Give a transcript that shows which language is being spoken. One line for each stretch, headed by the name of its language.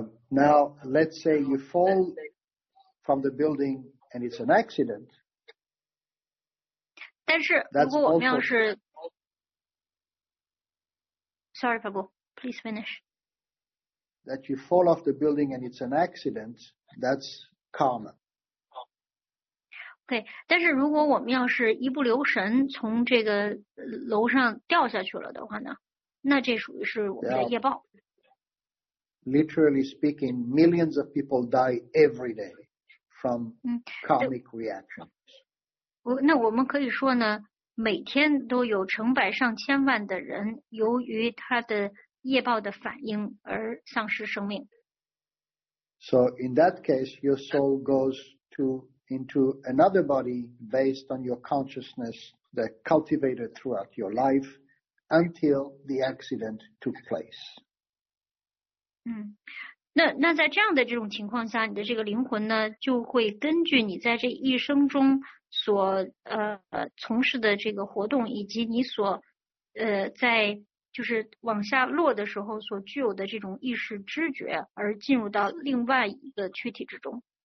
English: Now, let's say you fall from the building and it's an accident.
Chinese: 但是如果我们要是
English: ，Sorry, Pablo, please finish. That you fall off the building and it's an accident, that's karma.
Chinese: Okay, 但是如果我们要是一不留神从这个楼上掉下去了的话呢，那这属于是我们的业报。
English: Literally speaking, millions of people die every day from karmic reactions.
Chinese: 那我们可以说呢，每天都有成百上千万的人由于他的业报的反应而丧失生命。
English: So in that case, your soul goes into another body based on your consciousness that cultivated throughout your life until the accident took place.
Chinese: 那在这样的这种情况下，你的这个灵魂呢，就会根据你在这一生中所从事的这个活动，以及你所在就是往下落的时候所具有的这种意识知觉，而进入到另外一个躯体之中。